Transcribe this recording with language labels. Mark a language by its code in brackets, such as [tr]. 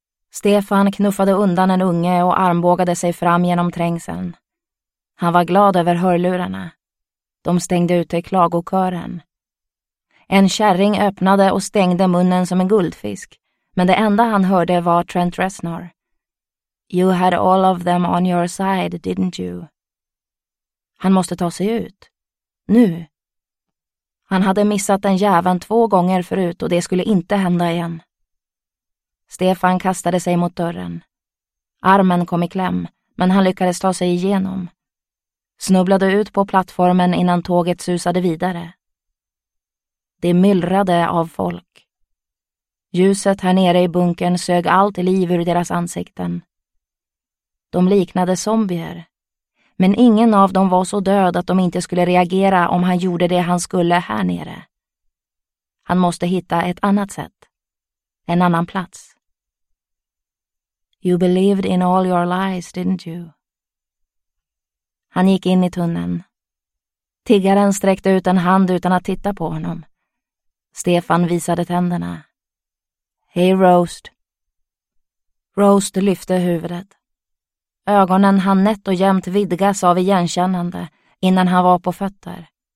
[sv] Stefan knuffade undan en unge och armbågade sig fram genom trängseln. Han var glad över hörlurarna. De stängde ute klagokören. En kärring öppnade och stängde munnen som en guldfisk, men det enda han hörde var Trent Reznor. [en] You had all of them on your side, didn't you? [sv] Han måste ta sig ut. Nu. Han hade missat den jäveln 2 gånger förut och det skulle inte hända igen. Stefan kastade sig mot dörren. Armen kom i kläm, men han lyckades ta sig igenom. Snubblade ut på plattformen innan tåget susade vidare. Det myllrade av folk. Ljuset här nere i bunkern sög allt liv ur deras ansikten. De liknade zombier. Men ingen av dem var så död att de inte skulle reagera om han gjorde det han skulle här nere. Han måste hitta ett annat sätt. En annan plats. [en] You believed in all your lies, didn't you? [sv] Han gick in i tunneln. Tiggaren sträckte ut en hand utan att titta på honom. Stefan visade tänderna. Hey, Roast. Roast lyfte huvudet. Ögonen hann nätt och jämnt vidgas av igenkännande innan han var på fötter.